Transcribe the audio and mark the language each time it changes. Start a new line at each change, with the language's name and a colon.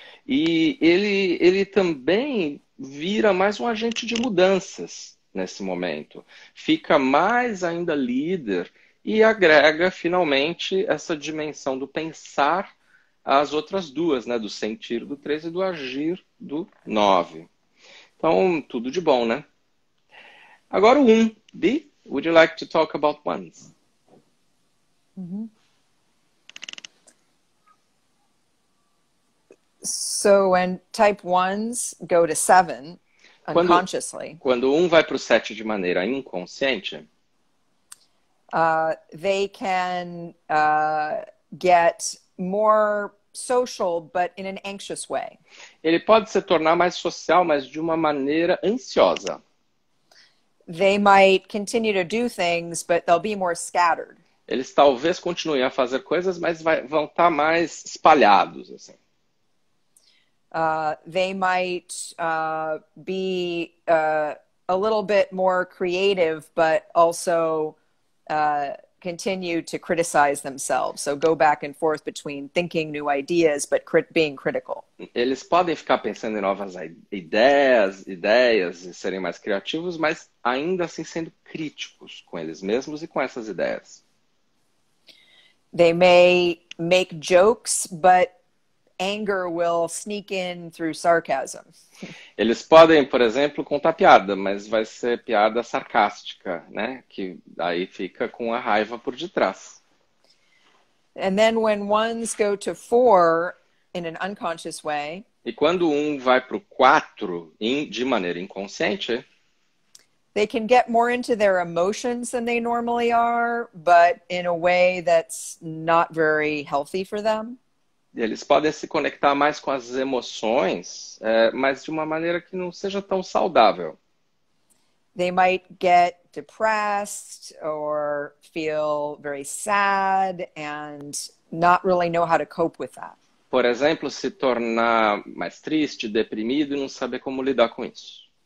Portuguese: E ele também vira mais um agente de mudanças nesse momento. Fica mais ainda líder e agrega, finalmente, essa dimensão do pensar às outras duas, né? Do sentir do 13 e do agir do 9. Então, tudo de bom, né? Agora o 1.
English: B, would you like to talk about ones? So, when type ones go to seven unconsciously,
Portuguese: Quando um vai para o 7 de maneira inconsciente,
English: they can get more social, but in an anxious way.
Portuguese: ele pode se tornar mais social, mas de uma maneira ansiosa.
English: They might continue to do things, but they'll be more scattered.
Portuguese: Eles talvez continuem a fazer coisas, mas vão estar mais espalhados, assim.
English: They might be a little bit more creative, but also continue to criticize themselves. So go back and forth between thinking new ideas, but being critical.
Portuguese: Eles podem ficar pensando em novas ideias e serem mais criativos, mas ainda assim sendo críticos com eles mesmos e com essas ideias.
English: They may make jokes, but anger will sneak in through sarcasm.
Portuguese: Eles podem, por exemplo, contar piada, mas vai ser piada sarcástica, né? Que aí fica com a raiva por detrás.
English: And then, when ones go to four in an unconscious way,
Portuguese: E quando um vai para o 4 de maneira inconsciente,
English: they can get more into their emotions than they normally are, but in a way that's not very healthy for them.
Portuguese: eles podem se conectar mais com as emoções, mas de uma maneira que não seja tão saudável.
English: They might get depressed or feel very sad and not really know how to cope with that.
Portuguese: Por exemplo, se tornar mais triste, deprimido e não saber como lidar com isso.